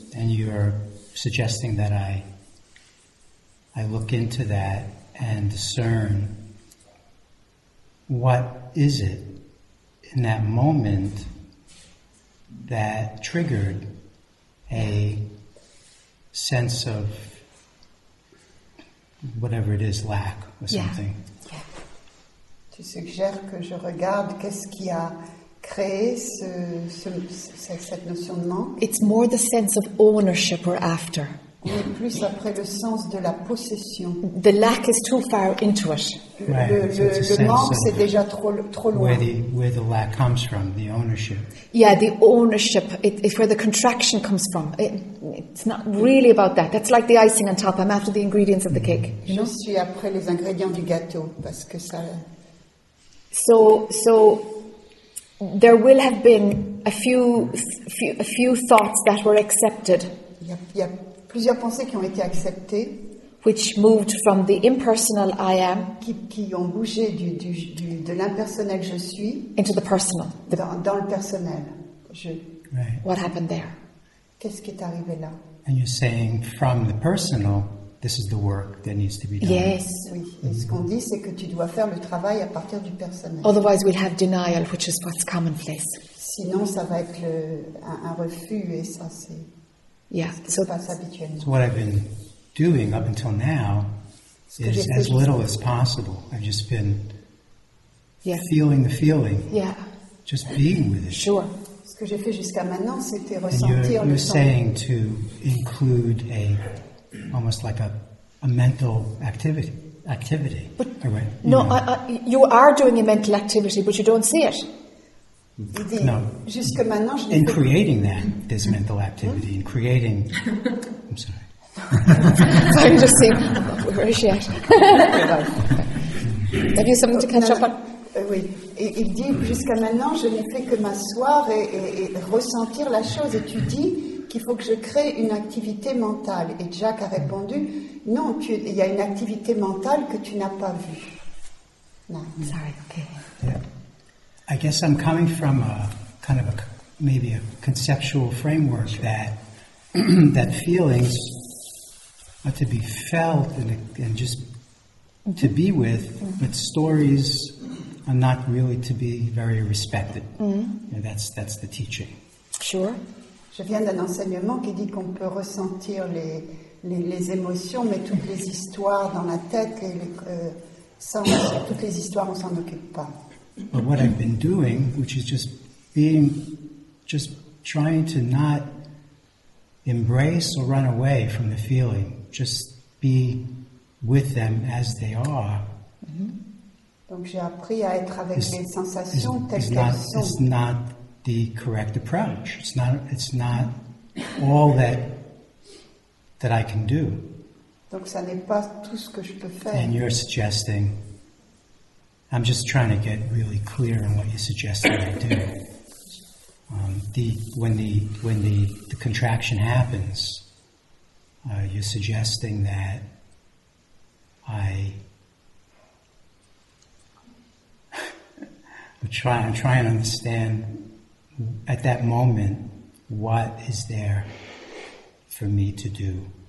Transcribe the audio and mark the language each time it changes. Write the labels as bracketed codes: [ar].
[en] and you're suggesting that I look into that and discern what is it in that moment that triggered a sense of whatever it is, lack or something. [fr] Tu suggères que je regarde qu'est-ce qui a créé cette notion de manque. [en] It's more the sense of ownership we're after. [fr] On est plus après le sens de la possession. [en] The lack is too far into it. [fr] Le manque, c'est déjà trop loin. [en] Where the lack comes from, the ownership. Yeah, the ownership, it's where the contraction comes from. It's not really about that. That's like the icing on top. I'm after the ingredients of the cake. [fr] Je suis après les ingrédients du gâteau, parce que ça... [en] So there will have been a few thoughts that were accepted. [fr] Il y a plusieurs pensées qui ont été acceptées, [en] which moved from the impersonal I am, [fr] qui ont bougé de l'impersonnel je suis, [en] into the personal, [fr] dans le personnel je. [en] Right. What happened there? [fr] Qu'est-ce qui est arrivé là? [en] And you're saying from the personal, this is the work that needs to be done. Yes. [fr] Oui. Et ce qu'on dit, c'est que tu dois faire le travail à partir du personnel. [en] Otherwise, we'll have denial, which is what's commonplace. [fr] Sinon, ça va être un refus, et ça, c'est ce qui se passe habituellement. [en] So what I've been doing up until now is as little as possible. I've just been feeling the feeling. Yeah. Just being with it. Sure. [fr] Ce que j'ai fait jusqu'à maintenant, c'était ressentir le temps. [en] And you're saying to include a... almost like a mental activity. But you are doing a mental activity, but you don't see it. No. [fr] Jusque maintenant, [en] in creating that, this mental activity, in creating... I'm sorry. I'm just saying, where is she at? Have you something to catch up on? [fr] Oui. Il dit, jusqu'à maintenant, je n'ai fait que m'asseoir et ressentir la chose. Et tu dis... qu'il faut que je crée une activité mentale. Et Jack a répondu, non, il y a une activité mentale que tu n'as pas vue. Non, [en] sorry, okay. Yeah. I guess I'm coming from a kind of a, maybe a conceptual framework that that feelings are to be felt and just to be with, but stories are not really to be very respected. Mm-hmm. Yeah, that's the teaching. Sure. [fr] Je viens d'un enseignement qui dit qu'on peut ressentir les émotions, mais toutes les histoires dans la tête, toutes les histoires, on s'en occupe pas. [en] But what I've been doing, which is just being, just trying to not embrace or run away from the feeling, just be with them as they are. [fr] Donc j'ai appris à être avec les sensations telles qu'elles sont. [en] It's not the correct approach. It's not all that I can do. [fr] Donc ça n'est pas tout ce que je peux faire. [en] And you're suggesting, I'm just trying to get really clear on what you're suggesting I do. When the contraction happens, you're suggesting that I'm trying to understand at that moment, what is there for me to do?